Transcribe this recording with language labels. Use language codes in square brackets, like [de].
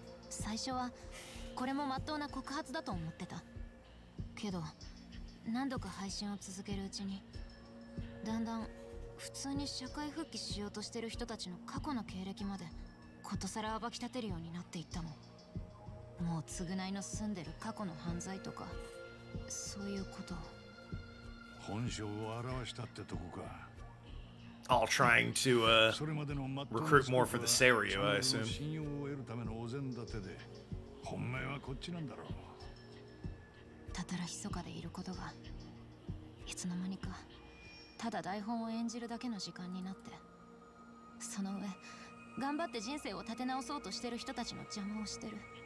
[ja] 最初はこれも真っ当な告発だと思ってたけど、何度か配信を続けるうちに、だんだん普通に社会復帰しようとしてる人たちの過去の経歴までことさら暴き立てるようになっていったの。もう償いの済んでる過去の犯罪とか、そういうこと。本性を表したってとこか。 [en] All trying to recruit more for the Serio, I assume. [ja] 信用を得るためのお膳立てで、本命はこっちなんだろう。たたら密かでいることが、いつの間にか、ただ台本を演じるだけの時間になって、その上、頑張って人生を立て直そうとしてる人たちの邪魔をしてる。